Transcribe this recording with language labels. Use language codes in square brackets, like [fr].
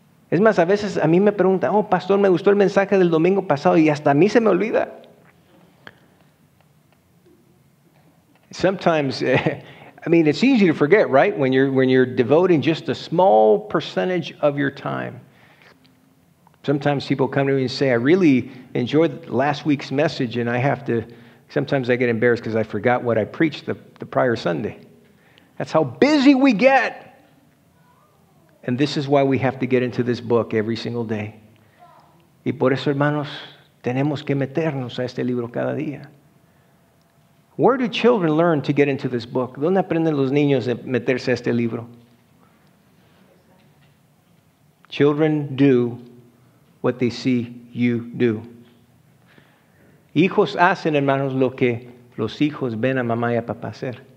[es] Es más, a veces a mí me preguntan, oh, pastor, me gustó el mensaje del domingo pasado y hasta a mí se me olvida. [en] Sometimes, I mean, it's easy to forget, right? When you're devoting just a small percentage of your time. Sometimes people come to me and say, I really enjoyed last week's message, and sometimes I get embarrassed because I forgot what I preached the prior Sunday. That's how busy we get. And this is why we have to get into this book every single day. [es] Y por eso, hermanos, tenemos que meternos a este libro cada día. [en] Where do children learn to get into this book? [es] ¿Dónde aprenden los niños a meterse a este libro? [en] Children do what they see you do. [es] Hijos hacen, hermanos, lo que los hijos ven a mamá y a papá hacer.